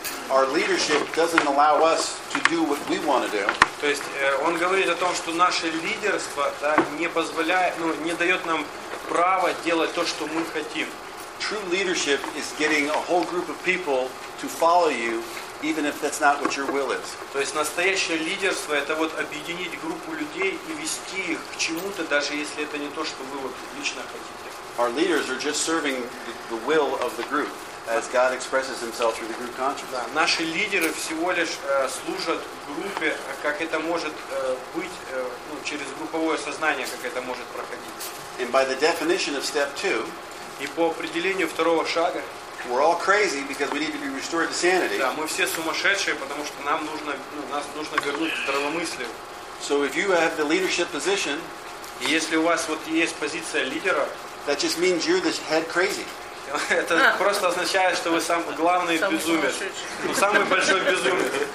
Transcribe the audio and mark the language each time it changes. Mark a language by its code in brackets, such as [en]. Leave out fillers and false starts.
[en] Our leadership doesn't allow us to do what we want to do. [ru] То есть он говорит о том, что наше лидерство не позволяет, не дает нам право делать то, что мы хотим. [en] True leadership is getting a whole group of people to follow you, even if that's not what your will is. [ru] То есть настоящее лидерство это вот объединить группу людей и вести их к чему-то, даже если это не то, что вы вот лично хотите. [en] Our leaders are just serving the will of the group, as God expresses Himself through the group conscience. [ru] Да, наши лидеры всего лишь служат группе, как это может быть через групповое сознание, как это может проходить. [en] And by the definition of step two, [ru] и по определению второго шага, [en] we're all crazy because we need to be restored to sanity. [ru] Да, мы все сумасшедшие, потому что нас нужно вернуть к здравомыслию. [en] So if you have the leadership position, [ru] и если у вас вот есть позиция лидера, [en] that just means you're the head crazy. [ru] Это просто означает, что вы самый главный безумец. Ну, самый большой безумец.